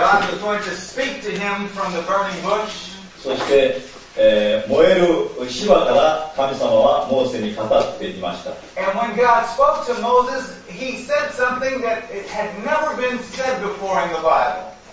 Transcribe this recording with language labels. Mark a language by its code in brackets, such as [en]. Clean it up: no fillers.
[en] God was going to speak to him from the burning bush. [ja] そして、燃える火場から神様はモーセに語っていました。 [en] And when God spoke to Moses, he said something that had never been said before in the Bible.